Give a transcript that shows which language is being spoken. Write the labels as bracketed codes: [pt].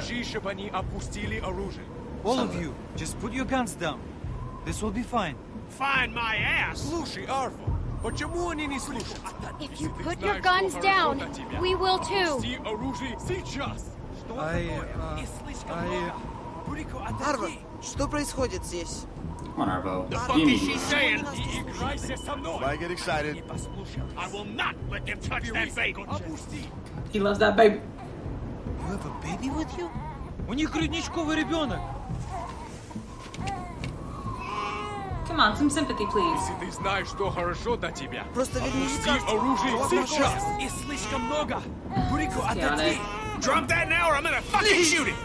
[ru] Скажи, чтобы они опустили оружие. [en] All of you, just put your guns down. This will be fine. Find my ass! [ru] Слушай, Арфа, почему они не слушают? [en] If you put your guns down, we will too. [ru] Опусти оружие сейчас! Арфа, что происходит здесь? [en] Come on, Arvo. The fuck is she saying? Why get excited? I will not let them touch that baby. He loves that baby. You have a baby with you? [ru] У них грудничковый ребенок. [en] Come on, some sympathy, please. [ru] Если ты знаешь, что хорошо для тебя, просто опусти оружие сейчас. И слишком много. Бурико, отдохни. [en] Drop that now or I'm gonna fucking shoot it.